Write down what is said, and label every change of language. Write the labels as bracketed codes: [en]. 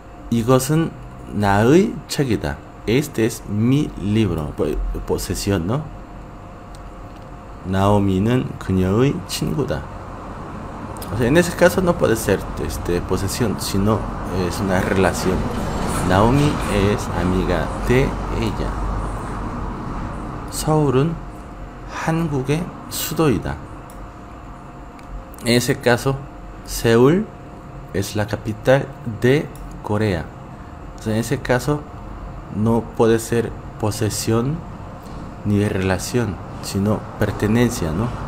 [es] Este es mi libro. Posesión, ¿no? [ko] Naomi는 그녀의 친구다. [es] O sea, en ese caso no puede ser posesión, sino es una relación. Naomi es amiga de ella. [ko] 서울은 한국의 수도이다. [es] En ese caso, Seúl es la capital de Corea. En ese caso, no puede ser posesión ni relación, sino pertenencia, ¿no?